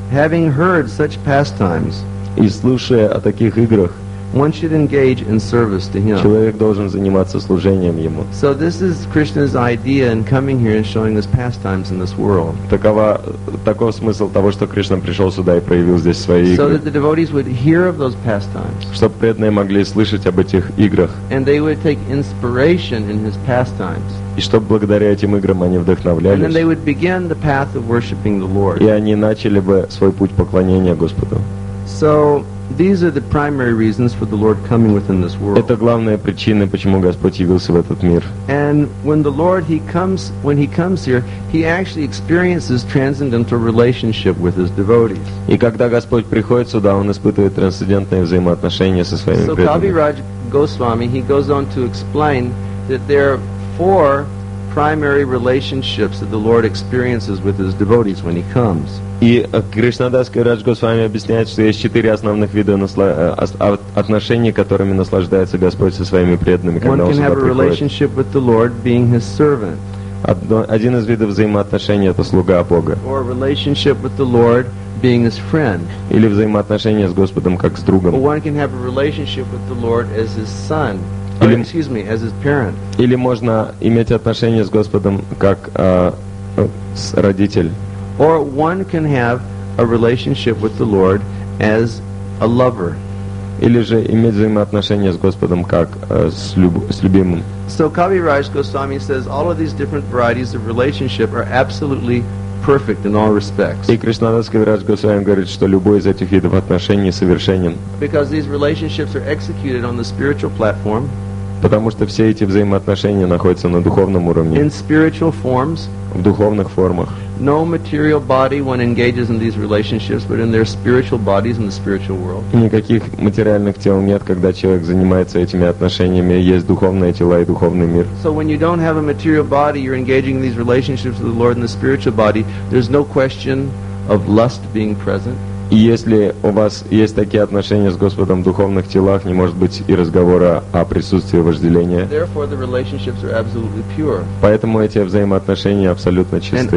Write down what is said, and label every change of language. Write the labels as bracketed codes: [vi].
[en] Having heard such pastimes, [ru] и слушая о таких играх, [en] one should engage in service to him. [ru] Человек должен заниматься служением ему. [en] So this is Krishna's idea in coming here and showing his pastimes in this world. [ru] Таков смысл того, что Кришна пришел сюда и проявил здесь свои игры. [en] So that the devotees would hear of those pastimes. [ru] Чтобы преданные могли слышать об этих играх. [en] And they would take inspiration in his pastimes. [ru] И чтобы благодаря этим играм они вдохновлялись. [en] And then they would begin the path of worshiping the Lord. [ru] И они начали бы свой путь поклонения Господу. [en] So these are the primary reasons for the Lord coming within this world. [ru] Это главная причина, почему Господь явился в этот мир. [en] And when the Lord when he comes here, he actually experiences transcendental relationship with his devotees. [ru] И когда Господь приходит сюда, он испытывает трансцендентные взаимоотношения со своими преданными. [en] So Kaviraj Goswami, he goes on to explain that there are four primary relationships that the Lord experiences with his devotees when he comes. [ru] И Кришнадас Кавирадж Госвами объясняет, что есть четыре основных вида отношений, которыми наслаждается Господь со своими преданными, когда Он сюда приходит. [en] One can have a relationship with the Lord being His servant. [ru] Один из видов взаимоотношений — это слуга Бога. [en] Or a relationship with the Lord being His friend. [ru] Или взаимоотношения с Господом как с другом. [en] One can have a relationship with the Lord as His son. [ru] Или, [en] excuse me, as His parent. [ru] Или можно иметь отношения с Господом как с родитель. [en] Or one can have a relationship with the Lord as a lover. [ru] Или же иметь взаимоотношения с Господом как с любимым. [en] So Kaviraj Goswami says all of these different varieties of relationship are absolutely perfect in all respects. [ru] И Кришнадас Кавирадж Госвами говорит, что любой из этих видов отношений совершенен. [en] Because these relationships are executed on the spiritual platform. [ru] Потому что все эти взаимоотношения находятся на духовном уровне. [en] In spiritual forms. [ru] В духовных формах. [en] No material body one engages in these relationships, but in their spiritual bodies in the spiritual world. [ru] Никаких материальных тел нет, когда человек занимается этими отношениями. Есть духовные тела и духовный мир. [en] So when you don't have a material body, you're engaging in these relationships with the Lord in the spiritual body. There's no question of lust being present. [ru] И если у вас есть такие отношения с Господом в духовных телах, не может быть и разговора о присутствии вожделения. [en] Therefore, the relationships are absolutely pure. [ru] Поэтому эти взаимоотношения абсолютно чисты.